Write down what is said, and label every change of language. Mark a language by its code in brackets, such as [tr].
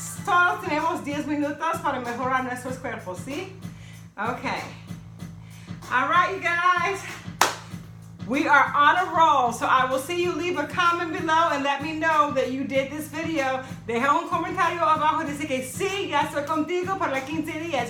[es] Todos tenemos 10 minutos para mejorar nuestros cuerpos, ¿sí? [en] Okay. All right, you guys. We are on a roll, so I will see you. Leave a comment below and let me know that you did this video. [es] Deja un comentario abajo, dice que sí, ya estoy contigo por las 15 días.